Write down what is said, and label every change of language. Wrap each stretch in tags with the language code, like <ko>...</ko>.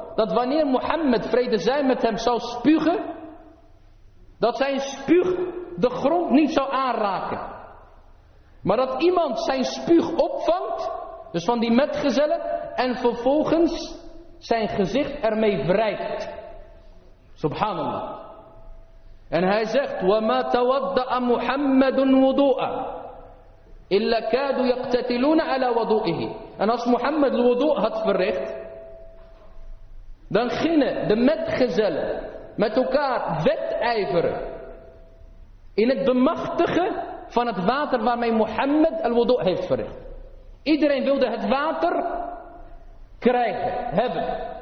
<nl>Dat wanneer Mohammed, vrede zij met hem, zou spugen, dat zijn spuug de grond niet zou aanraken. Maar dat iemand zijn spuug opvangt, dus van die metgezellen, en vervolgens zijn gezicht ermee wrijft.</nl> <ar>Subhanallah.</ar> <nl>En hij zegt:</nl> <ar>وَمَا تَوَدَّأَ مُحَمَّدٌ وُضُوءًا إِلَّا كَادُ يَقْتَتِلُونَ عَلَى وَضُوءِهِ.</ar> <nl>En als Mohammed de wudu had verricht, dan gingen de metgezellen met elkaar wedijveren in het bemachtigen van het water waarmee Mohammed al-Wudu' heeft verricht. Iedereen wilde het water krijgen, hebben.</nl>